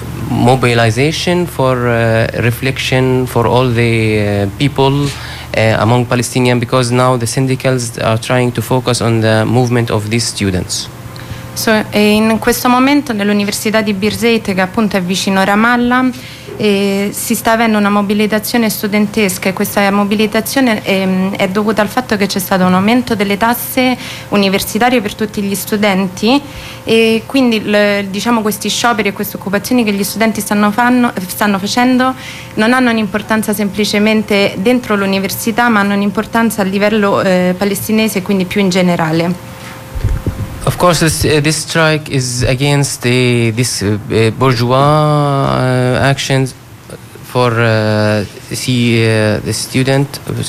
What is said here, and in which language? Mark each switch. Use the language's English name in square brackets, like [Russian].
[English] mobilization for reflection for all the people among Palestinians, because now the syndicals are trying to focus on the movement of these students. [Italian] So, in questo momento nell'università di Bir Zeit, che appunto è vicino Ramallah, si sta avendo una mobilitazione studentesca, e questa mobilitazione è dovuta al fatto che c'è stato un aumento delle tasse universitarie per tutti gli studenti, e quindi questi scioperi e queste occupazioni che gli studenti stanno facendo non hanno un'importanza semplicemente dentro l'università, ma hanno un'importanza a livello palestinese, quindi più in generale. [English] Of course, this strike is against this bourgeois actions for the student.